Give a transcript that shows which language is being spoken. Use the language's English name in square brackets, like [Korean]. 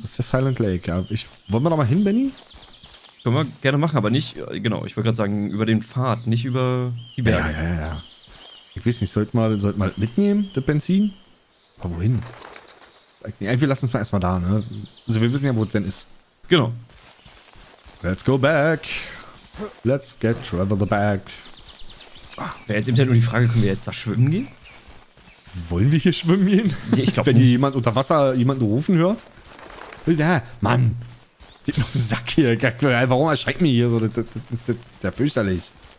[German] Das ist der Silent Lake, ja. Wollen wir da mal hin, Benny? Können wir gerne machen, aber nicht, genau, ich wollte gerade sagen, über den Pfad, nicht über die Berge. Ja. Ich weiß nicht, sollte mal mitnehmen, das Benzin? Aber wohin? Wir lassen es mal erstmal da, ne? Also wir wissen ja, wo es denn ist. Genau. [English] Let's go back. Let's get Trevor the bag. [German] Wäre jetzt eben nur die Frage, können wir jetzt da schwimmen gehen? Wollen wir hier schwimmen gehen? Nee, ich glaube nicht. Wenn hier jemand unter Wasser jemanden rufen hört? Ja, Mann! Den Sack hier, warum erschreckt mich hier so? Das ist ja fürchterlich.